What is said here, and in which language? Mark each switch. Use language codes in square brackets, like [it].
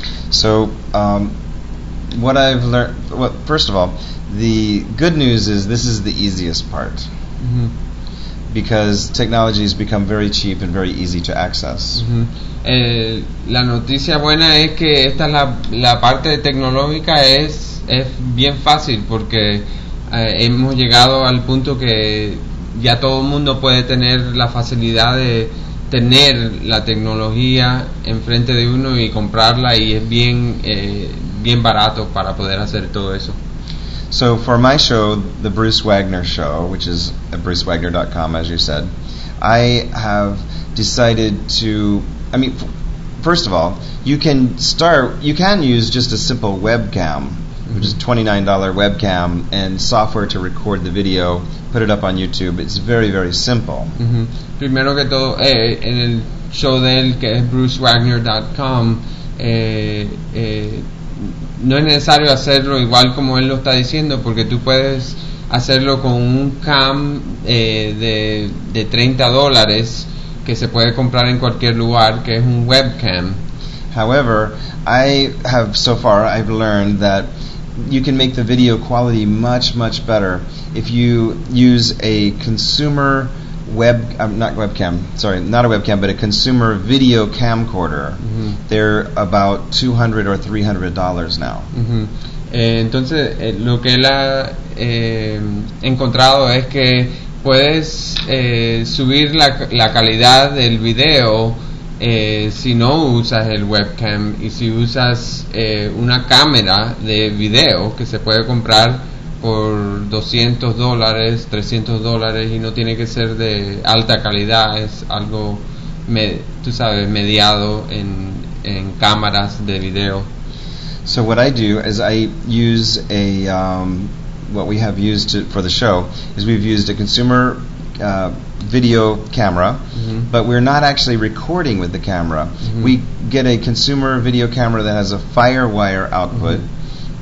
[en] So, what I've learned, well, first of all, the good news is this is the easiest part. Mm-hmm. Because technology has become very cheap and very easy to access. Mm-hmm. [es] La noticia buena es que esta es la parte tecnológica es bien fácil porque hemos llegado al punto que ya todo el mundo puede tener la facilidad de tener la tecnología enfrente de uno y comprarla, y es bien bien barato para poder hacer todo eso. [en] So for my show, The Bruce Wagner Show, which is at brucewagner.com, as you said, I have decided to, I mean, first of all, you can use just a simple webcam, which is a $29 webcam, and software to record the video, put it up on YouTube. It's very, very simple. Mm-hmm. [es] Primero que todo, en el show de él, que es brucewagner.com, no es necesario hacerlo igual como él lo está diciendo, porque tú puedes hacerlo con un cam de $30 que se puede comprar en cualquier lugar, que es un webcam. [en] However, I have so far I've learned that you can make the video quality much, much better if you use a consumer web, not webcam, sorry, not a webcam, but a consumer video camcorder. Mm-hmm. They're about $200 or $300 now. Mm-hmm. [es] Entonces, lo que él ha encontrado es que puedes subir la calidad del video si no usas el webcam, y si usas una cámara de video que se puede comprar por $200, $300, y no tiene que ser de alta calidad, es algo, tú sabes, mediado en cámaras de video. [en] So what I do is I use a, what we have used to, for the show, is we've used a consumer video camera. Mm-hmm. But we're not actually recording with the camera. Mm-hmm. We get a consumer video camera that has a FireWire output. Mm-hmm.